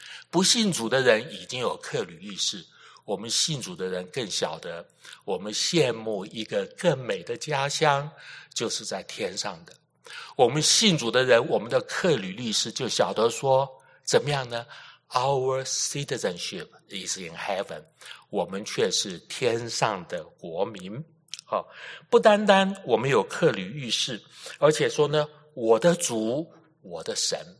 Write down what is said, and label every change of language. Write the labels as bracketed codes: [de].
[zh] 不信主的人已经有客旅意识，我们信主的人更晓得，我们羡慕一个更美的家乡，就是在天上的。我们信主的人，我们的客旅意识就晓得说，怎么样呢？ [en] Our citizenship is in heaven， [zh] 我们却是天上的国民。好，不单单我们有客旅意识，而且说呢，我的主，我的神。